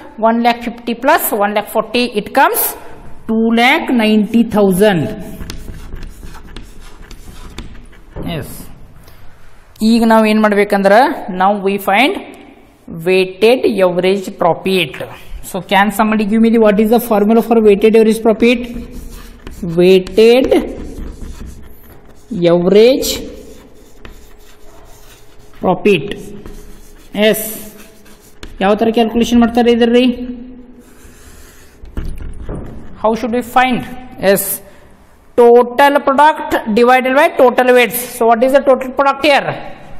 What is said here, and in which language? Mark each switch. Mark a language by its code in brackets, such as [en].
[en] 1,50,000 plus 1,40,000, it comes 2,90,000. Yes. [kn] ಈಗ ನಾವು ಏನ್ ಮಾಡ್ಬೇಕಂದ್ರ, ನಾವು [en] We find weighted average profit. So can somebody give me the, what is the formula for weighted average profit? Weighted average profit. Yes. [kn] ಯಾವ ತರ calculation ಮಾಡ್ತಾರೆ ಇದರಲ್ಲಿ? [en] How should we find? Yes. total product divided by total weights. So what is the total product here?